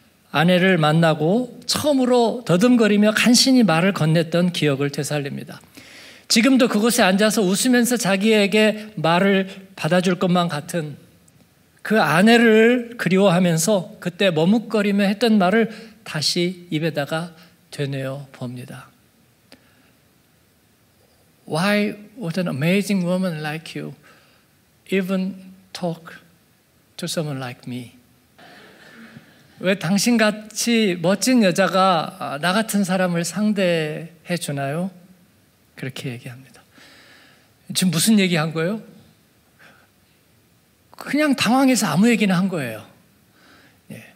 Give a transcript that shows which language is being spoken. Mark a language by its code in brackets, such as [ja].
[ko] 아내를 만나고 처음으로 더듬거리며 간신히 말을 건넸던 기억을 되살립니다. 지금도 그곳에 앉아서 웃으면서 자기에게 말을 받아줄 것만 같은 그 아내를 그리워하면서 그때 머뭇거리며 했던 말을 다시 입에다가 되뇌어 봅니다. [en] Why would an amazing woman like you even talk to someone like me? [ko] 왜 당신같이 멋진 여자가 나 같은 사람을 상대해 주나요? 그렇게 얘기합니다. 지금 무슨 얘기한 거예요? 그냥 당황해서 아무 얘기나 한 거예요. 예.